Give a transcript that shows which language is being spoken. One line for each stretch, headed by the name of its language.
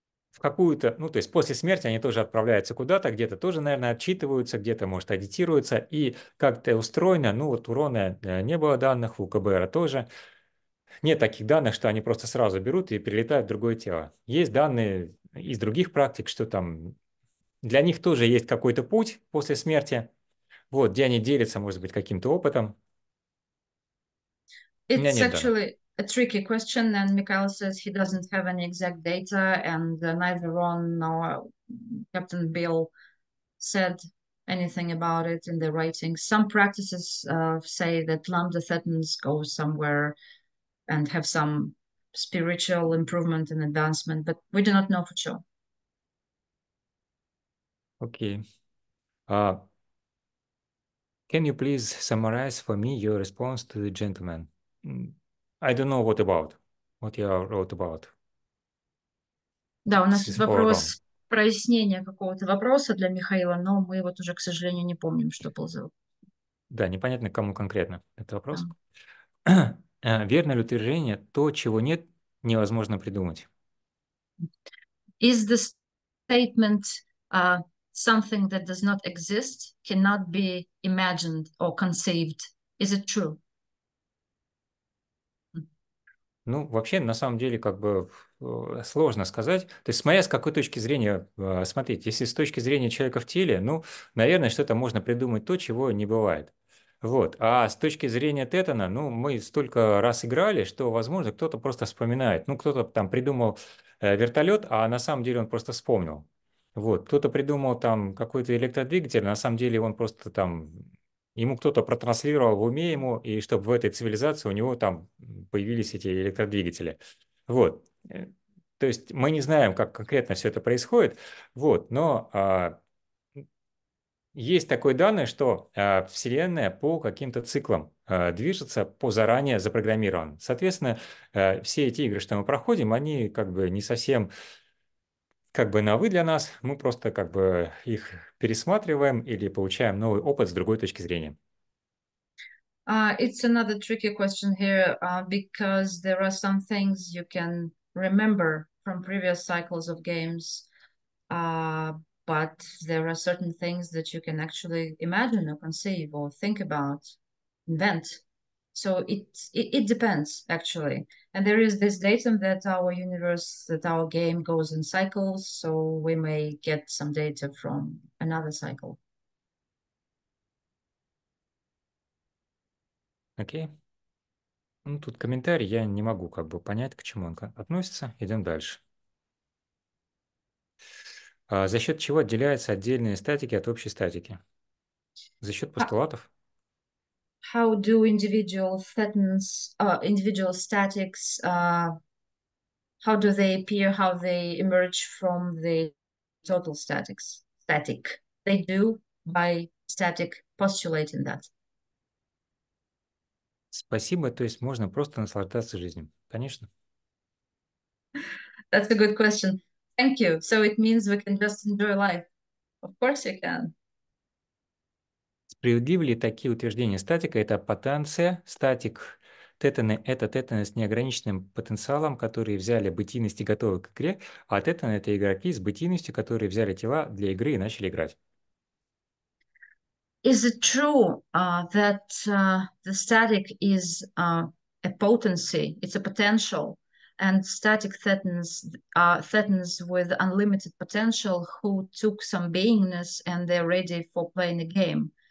Russian: в какую-то, ну, то есть после смерти они тоже отправляются куда-то, где-то тоже, наверное, отчитываются, где-то, может, аудитируются, и как-то устроено, ну, вот у Рона не было данных, у КБР тоже нет таких данных, что они просто сразу берут и перелетают в другое тело. Есть данные из других практик, что там для них тоже есть какой-то путь после смерти, вот, где они делятся, может быть, каким-то опытом. У меня нет данных.
English: A tricky question, and Mikhail says he doesn't have any exact data, and neither Ron nor Captain Bill said anything about it in their writing. Some practices say that Lambda Thetans go somewhere and have some spiritual improvement and advancement, but we do not know for sure. Okay. Can you please summarize for me your response to the gentleman? I don't know what you wrote about.
Russian: Да, у нас вопрос прояснения какого-то вопроса для Михаила, но мы вот уже, к сожалению, не помним, что был за вопрос. Да, непонятно, кому конкретно этот вопрос. Да. Верно ли утверждение, то, чего нет, невозможно придумать?
English: Is the statement something that does not exist, cannot be imagined or conceived? Is it true?
Russian: Ну, вообще, на самом деле, как бы сложно сказать. То есть, смотря с какой точки зрения, смотрите, если с точки зрения человека в теле, ну, наверное, что-то можно придумать то, чего не бывает. Вот. А с точки зрения Тетана, ну, мы столько раз играли, что, возможно, кто-то просто вспоминает. Ну, кто-то там придумал вертолет, а на самом деле он просто вспомнил. Вот. Кто-то придумал там какой-то электродвигатель, на самом деле он просто там... Ему кто-то протранслировал в уме ему, и чтобы в этой цивилизации у него там появились эти электродвигатели. Вот. То есть мы не знаем, как конкретно все это происходит. Вот. Но есть такое данное, что Вселенная по каким-то циклам движется по заранее запрограммированным. Соответственно, все эти игры, что мы проходим, они как бы не совсем... Как бы навы для нас, мы просто как бы их пересматриваем или получаем новый опыт с другой точки зрения.
English: It's another tricky question here, because there are some things you can remember from previous cycles of games, but there are certain things that you can actually imagine or conceive or think about, invent. So it depends, actually. And there is this datum that our universe, that our game goes in cycles, so we may get some data from another cycle.
Russian: Окей. Ну, тут комментарий, я не могу как бы понять, к чему он относится. Идем дальше. За счет чего отделяются отдельные статики от общей статики? За счет постулатов?
English: How do individual thetans, individual statics, how do they appear, how they emerge from the total statics, static? They do by static postulating that.
Russian: Спасибо, то есть можно просто наслаждаться жизнью, конечно.
English: That's a good question. Thank you. So it means we can just enjoy life. Of course you can.
Russian: Справедливы ли такие утверждения? Статика – это потенция, статик тетаны – это тетаны с неограниченным потенциалом, которые взяли бытийность и готовы к игре, а тетаны – это игроки с бытийностью, которые взяли тела для игры и начали играть.
English: Is it true that the static is a potency, it's a potential, and static thetans are thetans with unlimited potential who took some beingness and they're ready for playing a game?